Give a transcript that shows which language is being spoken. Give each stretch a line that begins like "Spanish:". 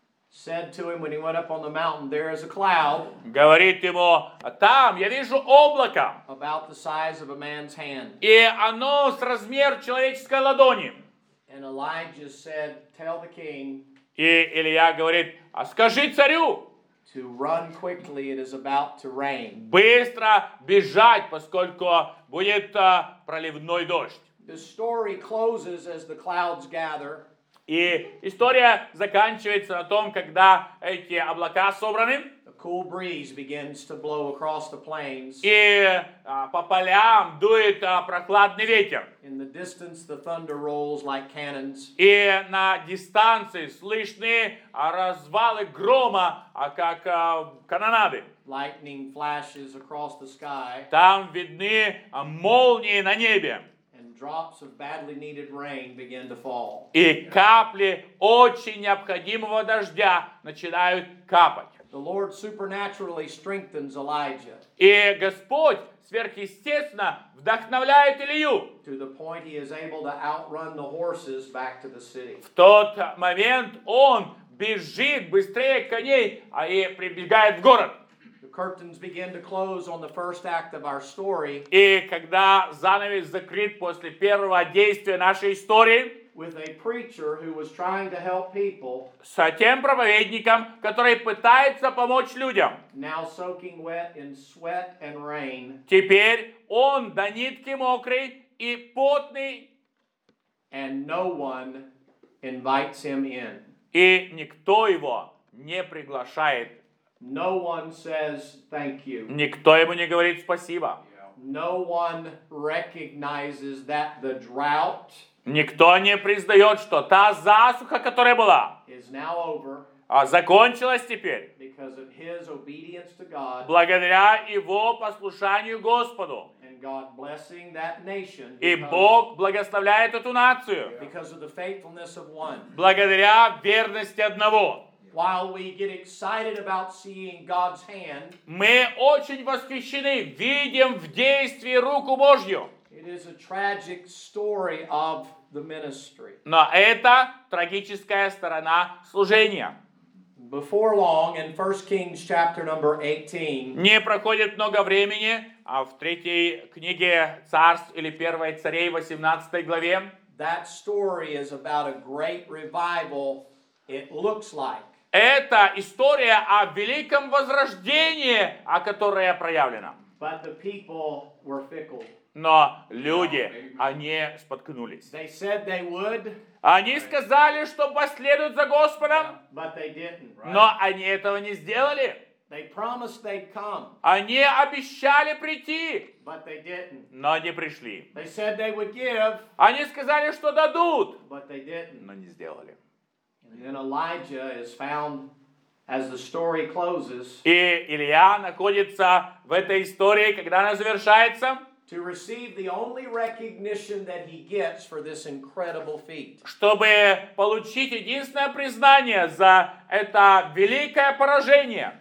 English: said to him when he went up on the mountain, there is a cloud.
Russian: Говорит ему, там я вижу облако.
English: About the size of a man's hand.
Russian: И оно с размер человеческой ладони.
English: And Elijah said, tell the king.
Russian: И Илия говорит, а скажи царю.
English: To run quickly, it is about to rain.
Russian: Быстро бежать, поскольку будет проливной дождь.
English: The story closes as the clouds gather.
Russian: И история заканчивается на том, когда эти облака собраны.
English: A cool breeze begins to blow across the plains.
Russian: И по полям дует прохладный ветер.
English: In the distance, the thunder rolls like cannons.
Russian: И на дистанции слышны развалы грома, как канонады.
English: Lightning flashes across the sky.
Russian: Там видны молнии на небе.
English: Drops of badly needed rain begin to fall.
Russian: И капли очень необходимого дождя начинают капать.
English: The Lord supernaturally strengthens Elijah.
Russian: И Господь сверхъестественно вдохновляет Илию.
English: To the point he is able to outrun the horses back to the city.
Russian: В тот момент он бежит быстрее коней, а и прибегает в город.
English: Curtains begin to close on the first act of our story.
Russian: И когда занавес закрыт после первого действия нашей истории,
English: with a preacher who was trying to help people,
Russian: с тем проповедником, который пытается помочь людям,
English: now soaking wet in sweat and rain,
Russian: теперь он до нитки мокрый и потный,
English: and no one invites him in.
Russian: И никто его не приглашает.
English: No one says thank you.
Russian: Никто ему не говорит спасибо.
English: No one recognizes that the drought.
Russian: Никто не признает, что та засуха, которая была,
English: is now over.
Russian: А закончилась теперь.
English: Because of his obedience to God.
Russian: Благодаря его послушанию Господу.
English: And God blessing that nation.
Russian: И Бог благословляет эту нацию.
English: Because of the faithfulness of one.
Russian: Благодаря верности одного.
English: While we get excited about seeing God's hand,
Russian: мы очень восхищены, видим в действии руку Божью.
English: It is a tragic story of the ministry.
Russian: Но это трагическая сторона служения.
English: Before long, in 1 Kings chapter number 18,
Russian: не проходит много времени, а в третьей книге царств или первой царей, 18 главе,
English: that story is about a great revival, it looks like.
Russian: Это история о великом возрождении, о которой проявлено.
English: But the people were fickle.
Russian: Но люди, они споткнулись.
English: They said they would,
Russian: они
English: right.
Russian: сказали, что последуют за Господом.
English: Yeah. But they didn't, right?
Russian: Но они этого не сделали.
English: They promised they'd come.
Russian: Они обещали прийти.
English: But they didn't.
Russian: Но не пришли.
English: They said they would give,
Russian: они сказали, что дадут.
English: But they didn't.
Russian: Но не сделали.
English: And then Elijah is found as the story closes.
Russian: И Илия находится в этой истории, когда она завершается.
English: To receive the only recognition that he gets for this incredible feat.
Russian: Чтобы получить единственное признание за это великое поражение.